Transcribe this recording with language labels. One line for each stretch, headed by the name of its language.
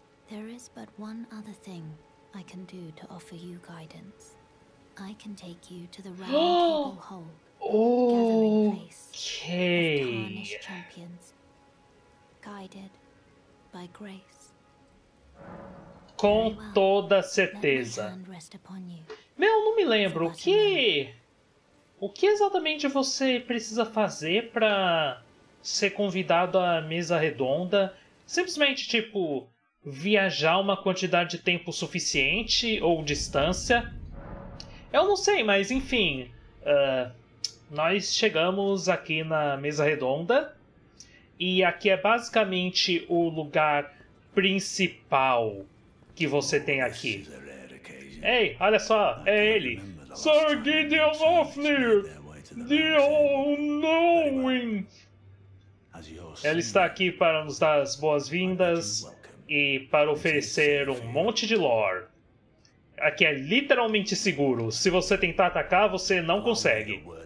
English: There is but one other thing I can do to offer you guidance. I can take you to the Round Table Hold, gathering place of tarnished champions, guided by grace.
Portuguese: Com toda certeza.
English: Let my hand rest upon you.
Portuguese: Meu, não me lembro o que exatamente você precisa fazer para ser convidado à mesa redonda, simplesmente, tipo, viajar uma quantidade de tempo suficiente ou distância. Eu não sei, mas enfim, nós chegamos aqui na mesa redonda e aqui é basicamente o lugar principal que você tem aqui. Ei, olha só, é ele.
English: Sir Gideon Offner, the All-Knowing.
Portuguese: Ela está aqui para nos dar as boas-vindas e para oferecer um monte de lore. Aqui é literalmente seguro. Se você tentar atacar, você não consegue.